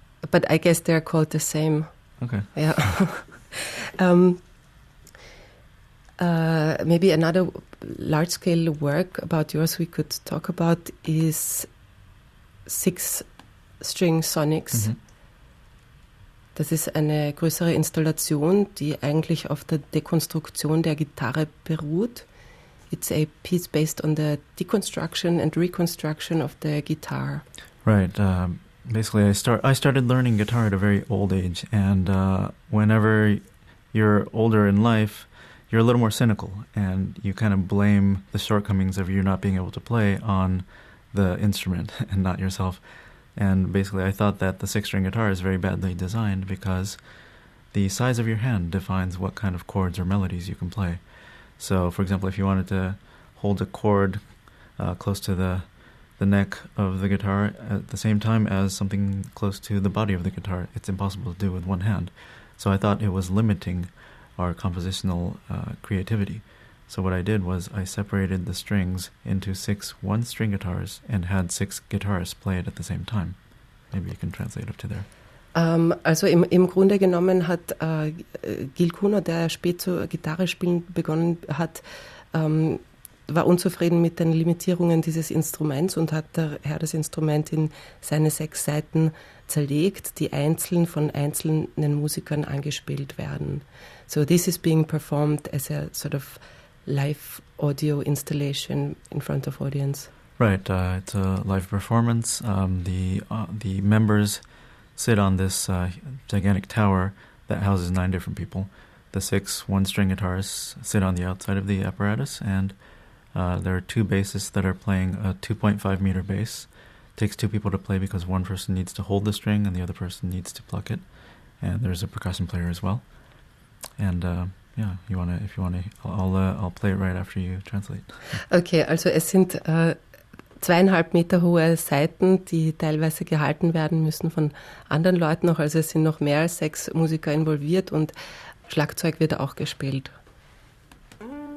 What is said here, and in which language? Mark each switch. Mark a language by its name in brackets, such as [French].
[English] But I guess they're called the same. Okay. Yeah. maybe another large-scale work about yours we could talk about is Six-String Sonics. Mm-hmm. [German] Das ist eine größere Installation, die eigentlich auf der Dekonstruktion der Gitarre beruht. [English] It's a piece based on the deconstruction and reconstruction of the guitar. Right. Basically, I started learning guitar at a very old age. And whenever you're older in life, you're a little more cynical. And you kind of blame the shortcomings of you not being able to play on the instrument and not yourself. And basically, I thought that the six-string guitar is very badly designed because the size of your hand defines what kind of chords or melodies you can play. So, for example, if you wanted to hold a chord close to the neck of the guitar at the same time as something close to the body of the guitar, it's impossible to do with one hand. So I thought it was limiting our compositional creativity. So what I did was I separated the strings into six one-string guitars and had six guitarists play it at the same time. Maybe you can translate up to there. [German] Also im Grunde genommen hat Gil Kuno, der spät zu Gitarre spielen begonnen hat, war unzufrieden mit den Limitierungen dieses Instruments und hat daher das Instrument in seine sechs Saiten zerlegt, die einzeln von einzelnen Musikern angespielt werden. [English] So this is being performed as a sort of live audio installation in front of audience. Right, it's a live performance. The members sit on this gigantic tower that houses nine different people. The six one-string guitarists sit on the outside of the apparatus, and there are two bassists that are playing a 2.5-meter bass. It takes two people to play because one person needs to hold the string and the other person needs to pluck it. And there's a percussion player as well. And yeah, I'll play it right after you translate. [German] Okay, also es sind 2,5 Meter hohe Saiten, die teilweise gehalten werden müssen von anderen Leuten noch. Also es sind noch mehr als sechs Musiker involviert und Schlagzeug wird auch gespielt. [English] Thank you.